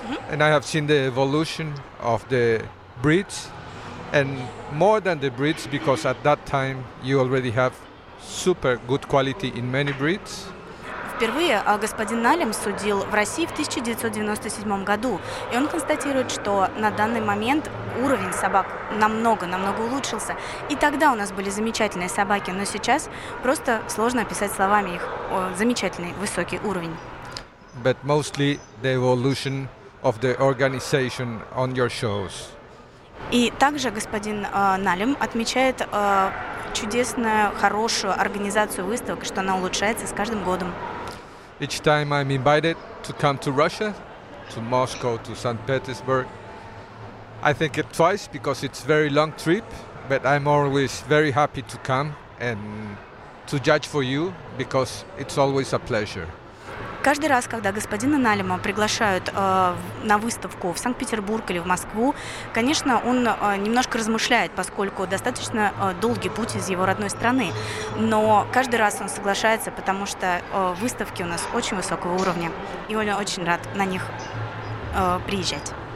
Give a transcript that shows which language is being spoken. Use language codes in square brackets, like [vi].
[en] And I have seen the evolution of the breeds, and more than the breeds, because at that time you already have super good quality in many breeds. [ru] Впервые господин Налем судил в России в 1997 году, и он констатирует, что на данный момент уровень собак намного улучшился. И тогда у нас были замечательные собаки, но сейчас просто сложно описать словами их замечательный высокий уровень. [en] But mostly the evolution of the organization on your shows. [ru] И также господин Налем отмечает чудесную, хорошую организацию выставок, что она улучшается с каждым годом. [en] Each time I'm invited to come to Russia, to Moscow, to St. Petersburg, I think it twice because it's very long trip, but I'm always very happy to come and to judge for you because it's always a pleasure. [ru] Каждый раз, когда господина Налема приглашают на выставку в Санкт-Петербург или в Москву, конечно, он немножко размышляет, поскольку достаточно долгий путь из его родной страны. Но каждый раз он соглашается, потому что выставки у нас очень высокого уровня, и он очень рад на них приезжать.